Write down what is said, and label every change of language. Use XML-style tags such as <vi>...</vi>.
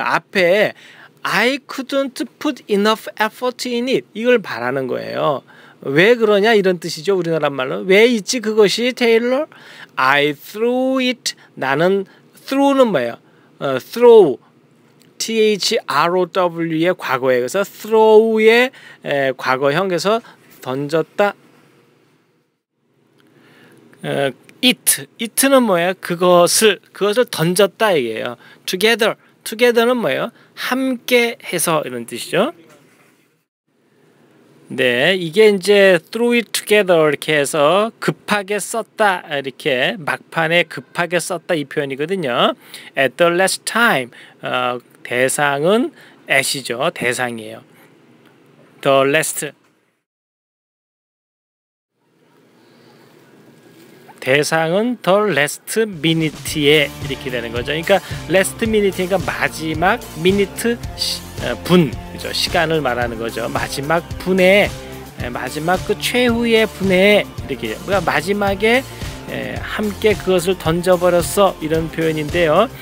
<ko>앞에</ko> <en>I couldn't put enough effort in it.</en> <ko>이걸 바라는 거예요. 왜 그러냐 이런 뜻이죠. 우리나라 말로 왜 있지 그것이 테일러?</ko> <en>I threw it.</en> <ko>나는 threw는 뭐예요? Throw. THROW의 과거예요. 그래서 throw의 과거형에서 던졌다. It. It는 뭐예요? 그것을 던졌다 이게요. Together. Together는 뭐예요? 함께 해서 이런 뜻이죠. 네, 이게 이제</ko> <en>throw it together</en> <ko>이렇게 해서 급하게 썼다 이렇게 막판에 급하게 썼다 이 표현이거든요.</ko> <en>At the last time 대상은 at이죠.</en> <ko>대상이에요.</ko> <en>The last 대상은 the last minute에</en> <ko>이렇게 되는 거죠. 그러니까 last minute니까 마지막 minute 분, 그죠? 시간을 말하는 거죠. 마지막 분에, 마지막 그 최후의 분에 이렇게 그러니까 마지막에 함께 그것을 던져버렸어 이런 표현인데요.</ko>